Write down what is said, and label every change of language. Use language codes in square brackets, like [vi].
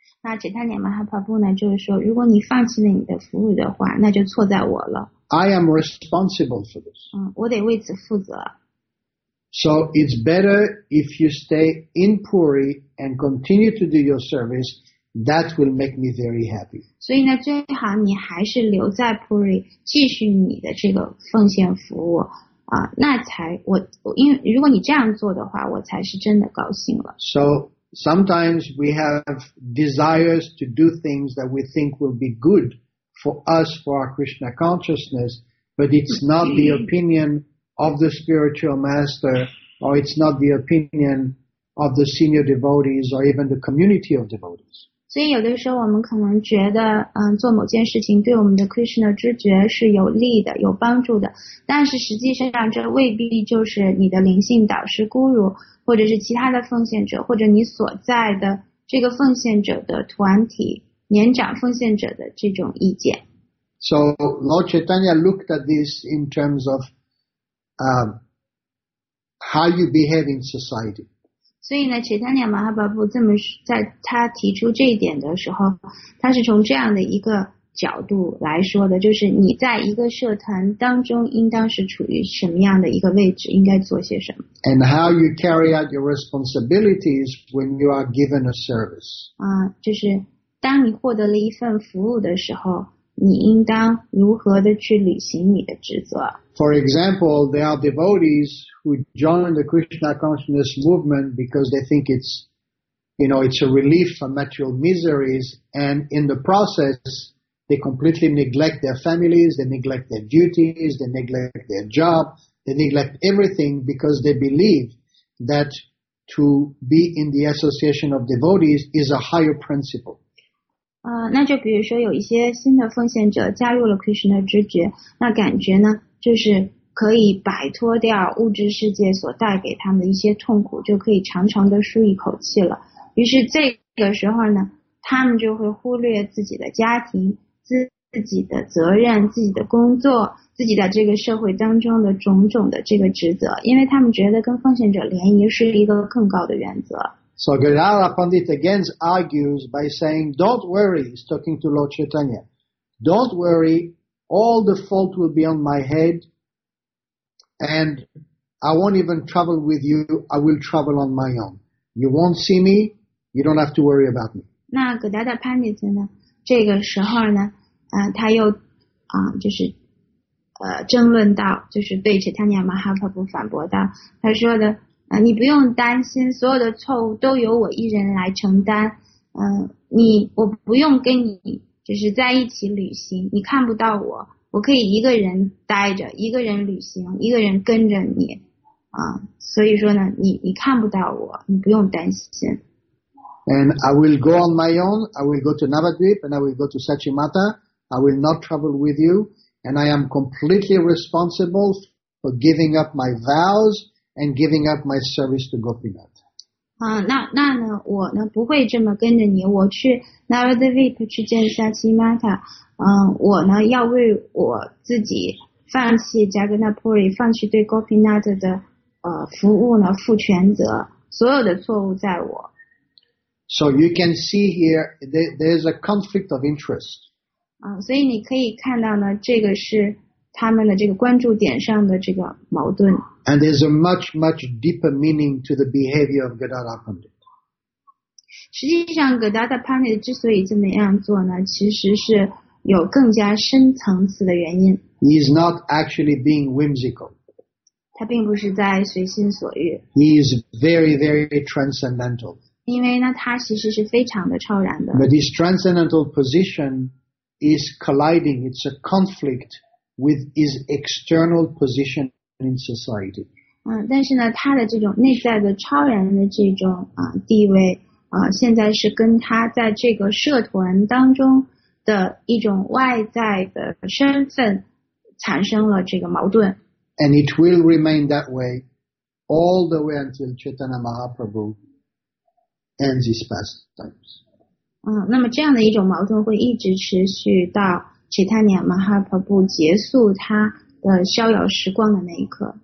[zh] 那 Chaitanya Mahaprabhu 呢，就是说，如果你放弃了你的服务的话，那就错在我了。 [en] I am responsible for this. [zh] 我得为此负责。 [en] So it's better if you stay in Puri and continue to do your service. That will make me very happy. [zh] 所以呢，最好你还是留在 Puri 继续你的这个奉献服务啊，那才我因为如果你这样做的话，我才是真的高兴了。 [en] So sometimes we have desires to do things that we think will be good for us for our Krishna consciousness, but it's not the opinion of the spiritual master, or it's not the opinion of the senior devotees, or even the community of devotees. [zh] 所以有的时候我们可能觉得做某件事情对我们的 Krishna 知觉是有利的有帮助的但是实际上这未必就是你的灵性导师 Guru 或者是其他的奉献者或者你所在的这个奉献者的团体年长奉献者的这种意见 [en] So Lord Chaitanya looked at this in terms of how you behave in society [zh] 所以呢，切达涅马哈巴布这么在他提出这一点的时候，他是从这样的一个角度来说的，就是你在一个社团当中应当是处于什么样的一个位置，应该做些什么。 [en] And how you carry out your responsibilities when you are given a service. [zh] 就是当你获得了一份服务的时候，你应当如何的去履行你的职责。 [en] For example, there are devotees who join the Krishna consciousness movement because they think it's, you know, it's a relief from material miseries. And in the process, they completely neglect their families, they neglect their duties, they neglect their job, they neglect everything because they believe that to be in the association of devotees is a higher principle. [zh] 那就比如说有一些新的奉献者加入了 Krishna 知觉，那感觉呢，就是可以摆脱掉物质世界所带给他们的一些痛苦，就可以长长的舒一口气了。于是这个时候呢，他们就会忽略自己的家庭、自己的责任、自己的工作、自己在这个社会当中的种种的这个职责，因为他们觉得跟奉献者联谊是一个更高的原则。 [en] So Gadara Pandit again argues by saying, don't worry, he's talking to Lord Chaitanya, don't worry, all the fault will be on my head, and I won't even travel with you, I will travel on my own. You won't see me, you don't have to worry about me. [zh] 那 Gadara Pandit 呢，这个时候呢，他又就是争论到，就是对 Chaitanya Mahaprabhu 反驳到，他说的，你不用担心，所有的错误都由我一人来承担。我不用跟你就是在一起旅行，你看不到我，我可以一个人待着，一个人旅行，一个人跟着你。所以说呢，你看不到我，你不用担心。 [en] And I will go on my own. I will go to Navadvip and I will go to Sachimata. I will not travel with you. And I am completely responsible for giving up my vows. And giving up my service to Gopinath. [zh] 那呢，我呢不会这么跟着你。我去 Navadvip 去见 Sachimata。我呢要为我自己放弃 Jagannath Puri， 放弃对 Gopinath 的服务呢负全责。所有的错误在我。 [en] So you can see here there's a conflict of interest. [zh] 所以你可以看到呢，这个是他们的这个关注点上的这个矛盾。 [en] And there's a much, much deeper meaning to the behavior of Gadara Pandit. [zh] 实际上 Gadara Pandit 之所以这么样做呢，其实是有更加深层次的原因。 [en] He is not actually being whimsical. [zh] 他并不是在随心所欲。 [en] He is very, very transcendental. [zh] 因为呢，他其实是非常的超然的。 [en] But his transcendental position is colliding, it's a conflict with his external position. In society. [zh] 但是呢，他的这种内在的超然的这种地位现在是跟他在这个社团当中的一种外在的身份产生了这个矛盾。 [en] And it will remain that way all the way until Chaitanya Mahaprabhu ends his pastimes. [zh] 那么这样的一种矛盾会一直持续到 Chaitanya Mahaprabhu 结束他。的逍遥时光的那一刻。